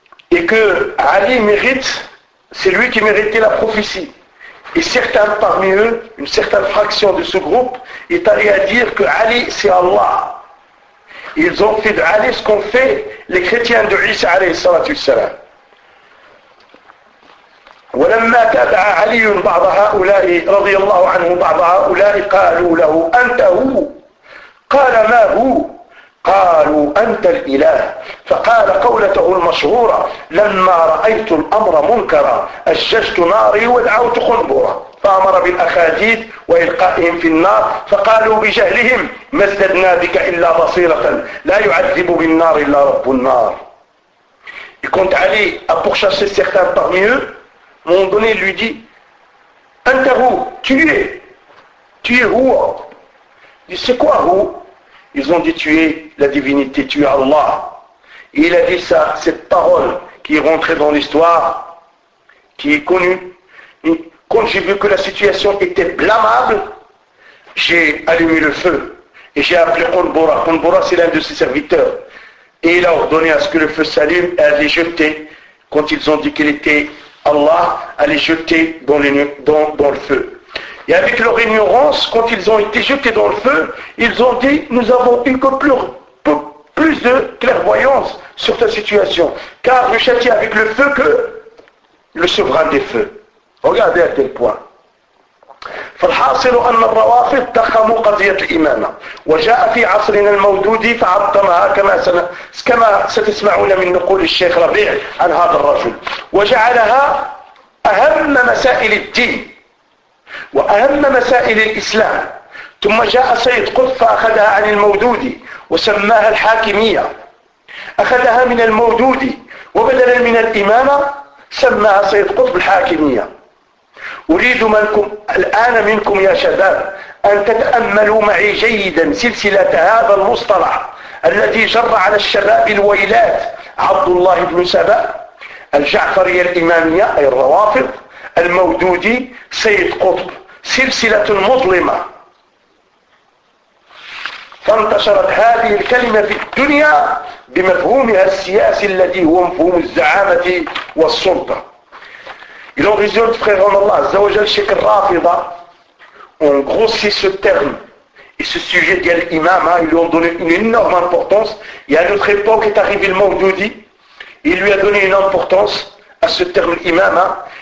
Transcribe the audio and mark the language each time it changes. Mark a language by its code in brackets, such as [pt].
[fr] Et que Ali mérite, c'est lui qui méritait la prophétie. Et certains parmi eux, une certaine fraction de ce groupe, est allé à dire que Ali c'est Allah. Ils ont fait de Ali ce qu'ont fait les chrétiens de Isa alayhi salatu wassalam. [ar] ولما تابع علي بعض هؤلاء رضي الله عنه بعض هؤلاء قالوا له أنت هو قال ما هو قالوا أنت الإله فقال قولته المشهورة لما رأيت الأمر منكرا أججت ناري ودعوت خنبرة فأمر بالأخاديد وإلقائهم في النار فقالوا بجهلهم ما ازددنا بك إلا بصيرة لا يعذب بالنار إلا رب النار. [fr] Et quand Ali a pourchassé certains parmi eux, mon donné lui dit [ar] أنت هو [fr] tu es هو. Dit c'est quoi هو? Ils ont dit tu es la divinité, tu es Allah. Et il a dit ça, cette parole qui est rentrée dans l'histoire, qui est connue. Et quand j'ai vu que la situation était blâmable, j'ai allumé le feu. Et j'ai appelé Khunbura. Khunbura, c'est l'un de ses serviteurs. Et il a ordonné à ce que le feu s'allume et à les jeter, quand ils ont dit qu'il était Allah, à les jeter dans le feu. Et avec leur ignorance, quand ils ont été jetés dans le feu, ils ont dit, nous avons eu que plus de clairvoyance sur ta situation. Car je châtie avec le feu que le souverain des feux. Regardez à quel point. [ar] فالحاصل أن الروافض دخموا قضية الإمامة وجاء في عصرنا المودود فعظمها كما ستسمعون من نقول الشيخ ربيع عن هذا الرجل وجعلها أهم مسائل الدين وأهم مسائل الإسلام. ثم جاء سيد قطب فأخذها عن المودود وسماها الحاكمية أخذها من المودود وبدلا من الإمامة سماها سيد قطب الحاكمية. أريد منكم الآن منكم يا شباب أن تتأملوا معي جيدا سلسلة هذا المصطلح الذي جر على الشباب الويلات عبد الله بن سبأ الجعفري الإمامية أي الروافض المودودي سيد قطب سلسلة مظلمة فانتشرت هذه الكلمة في الدنيا بمفهومها السياسي الذي هو مفهوم الزعامة والسلطة. [fr] Il en résulte, frère en Allah, Zawajal Sheikh Rafida, on grossit ce terme et ce sujet d'Yal Imam, hein, ils lui ont donné une énorme importance. Et à notre époque est arrivé le Maududi, il lui a donné une importance à ce terme Imam, hein,